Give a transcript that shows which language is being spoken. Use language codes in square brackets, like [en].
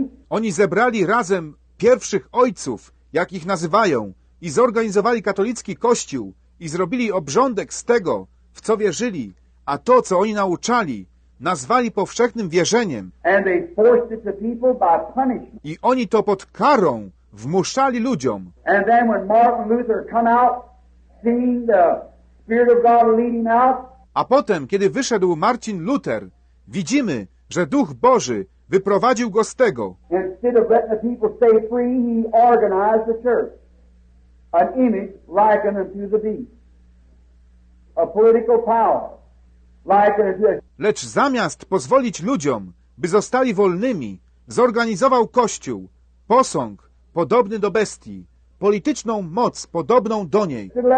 [pl] Oni zebrali razem pierwszych ojców, jak ich nazywają, i zorganizowali katolicki kościół i zrobili obrządek z tego, w co wierzyli, a to, co oni nauczali, nazwali powszechnym wierzeniem. [en] And they forced it to people by punishment. [pl] I oni to pod karą wmuszali ludziom. [en] And then when Martin Luther come out, seeing the Spirit of God leading out. [pl] A potem, kiedy wyszedł Marcin Luther, widzimy, że Duch Boży wyprowadził go z tego. [en] Instead of letting the people stay free, he organized the church. An image likened unto the beast. A political power likened unto the... [pl] Lecz zamiast pozwolić ludziom, by zostali wolnymi, zorganizował kościół, posąg podobny do bestii, polityczną moc podobną do niej.